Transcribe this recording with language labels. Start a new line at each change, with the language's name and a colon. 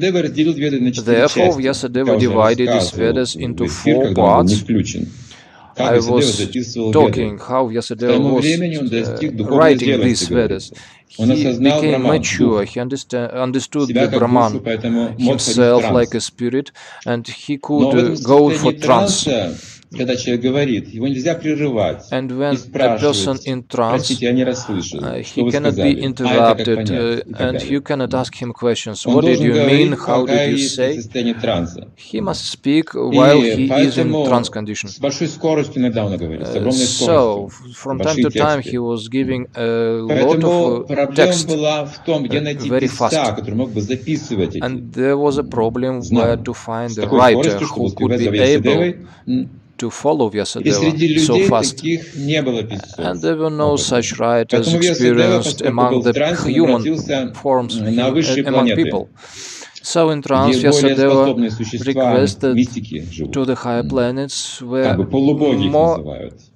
English: Therefore, Vyasadeva divided these Vedas into four parts. I was talking how Vyasadeva was writing these Vedas. He became mature, he understood the Brahman himself like a spirit, and he could go for trance.
Russian: Когда человек говорит, его нельзя прерывать.
English: And when a person in trance,
Russian: простите, я не расслышу,
English: he cannot be interrupted, and you cannot ask him questions. What did you mean? How did you say? He must speak while he is in trance condition.
Russian: С большой скоростью иногда он говорит, с огромной скоростью.
English: So, from time to time, he was giving a lot of text.
Russian: Поэтому проблема была в том, где найти писца, который мог бы записывать эти.
English: And there was a problem where to find a writer who could be able to follow Vyasadeva so fast. And there were no such writers experienced among the human forms, among people. So in trance, Vyasadeva requested to the higher planets where more qualified